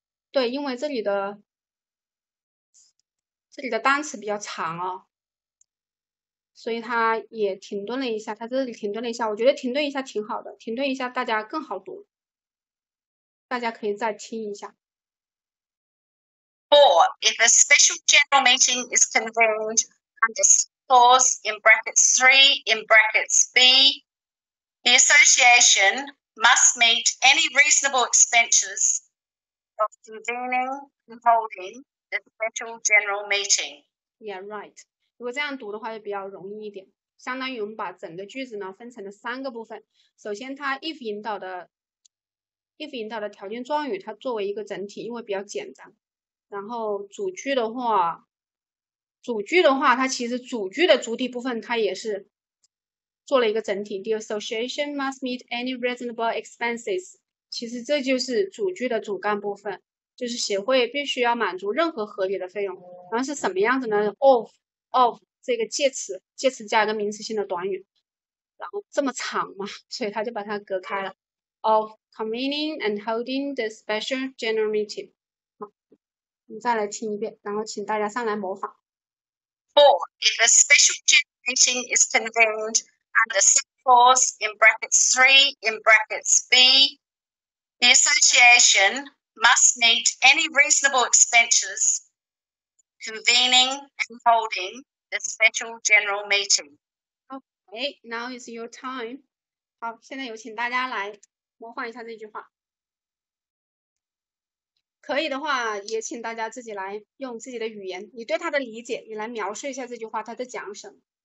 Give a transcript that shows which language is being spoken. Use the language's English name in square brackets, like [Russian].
[Chinese] 对，因为这里的单词比较长哦，所以它也停顿了一下，它这里停顿了一下，我觉得停顿一下挺好的，停顿一下大家更好读，大家可以再听一下。 [English] For if a special general meeting is convened under clause in brackets 3 in brackets B, the association must meet any reasonable expenses of convening and holding the special general meeting. Yeah, right. [Chinese] 如果这样读的话就比较容易一点，相当于我们把整个句子呢分成了三个部分。首先它 if 引导的条件状语它作为一个整体，因为比较简单。然后主句的话它其实主句的主体部分它也是做了一个整体。 The association must meet any reasonable expenses，其实这就是主句的主干部分，就是协会必须要满足任何合理的费用。然后是什么样子呢？ of 这个介词加一个名词性的短语，然后这么长嘛，所以它就把它隔开了。 [English] of convening and holding the special general meeting。 [Chinese] 你再来听一遍，然后请大家上来模仿。 [English] For if a special general meeting is convened under subclause in brackets 3 in brackets B, the association must meet any reasonable expenses convening and holding the special general meeting. Okay, now is your time. [Chinese] 好，现在有请大家来模仿一下这句话。可以的话也请大家自己来用自己的语言，你对他的理解，你来描述一下这句话他在讲什么。